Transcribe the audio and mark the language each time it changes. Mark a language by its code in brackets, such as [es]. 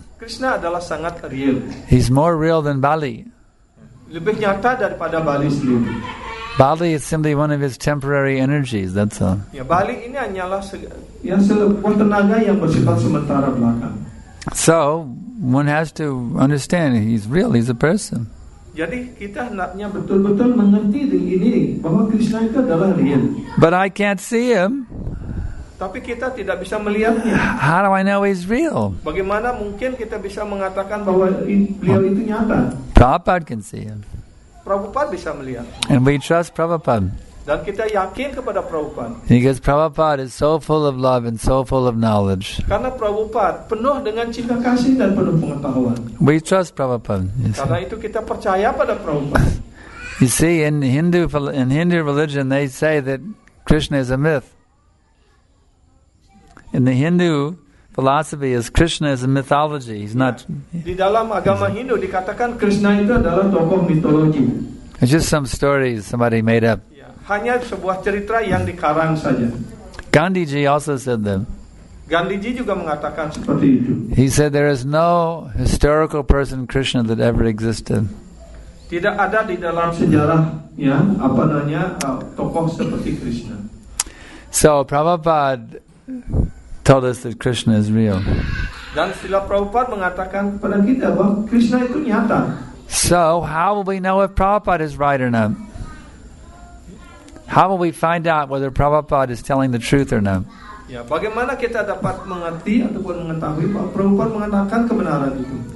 [id] Krishna adalah sangat real. [en] He's more real than Bali. [id] Lebih nyata daripada Bali sendiri. [en] Bali is simply one of his temporary energies, that's all. [id] Ya, Bali ini hanyalah sebuah tenaga yang bersifat sementara belaka. [en] So, one has to understand he's real, he's a person. [id] Jadi kita hendaknya betul-betul mengerti ini bahwa Krishna itu adalah real. [en] But I can't see him. [id] Tapi kita tidak bisa melihatnya. [en] How do I know he's real? [id] Bagaimana mungkin kita bisa mengatakan bahwa beliau itu nyata? [en] Prabhupada can see him. [id] Prabhupada bisa melihat. [en] And we trust Prabhupada. [id] Dan kita yakin kepada Prabhupada. [en] Because Prabhupada is so full of love and so full of knowledge. [id] Karena Prabhupada penuh dengan cinta kasih dan penuh pengetahuan. [en] We trust Prabhupada. [id] Karena itu kita percaya pada Prabhupada. [en] You see, in Hindu religion, they say that Krishna is a myth. In the Hindu philosophy, is Krishna is a mythology. He's not. [id] Di dalam agama Hindu dikatakan Krishna itu adalah tokoh mitologi. [en] It's just some stories somebody made up. [id] Hanya sebuah cerita yang dikarang saja. [en] Gandhiji also said that. [id] Gandhiji juga mengatakan seperti itu. [en] He said there is no historical person Krishna that ever existed. [id] Tidak ada di dalam sejarah ya apa namanya tokoh seperti Krishna. [en] So Prabhupada told us that Krishna is real. [id] Dan Srila Prabhupada mengatakan kepada kita bahwa Krishna itu nyata. [en] So how will we know if Prabhupada is right or not? How will we find out whether Prabhupada is telling the truth or not? [id] Ya, bagaimana kita dapat mengerti ataupun mengetahui bahwa Prabhupada mengatakan kebenaran itu?